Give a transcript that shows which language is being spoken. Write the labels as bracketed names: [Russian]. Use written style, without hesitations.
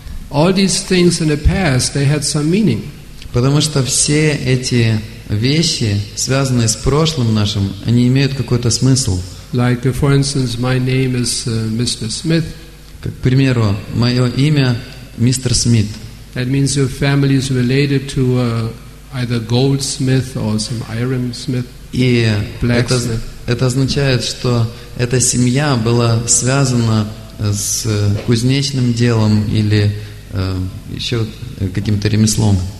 [English] All these things in the past, they had some meaning. [Russian] Потому что все эти вещи, связанные с прошлым нашим, они имеют какой-то смысл. [English] Like, for instance, my name is Mr. Smith. [Russian] Как, к примеру, мое имя мистер Смит. [English] That means your family is related to either goldsmith or some iron smith. [Russian] И это означает, что эта семья была связана с кузнечным делом или еще каким-то ремеслом.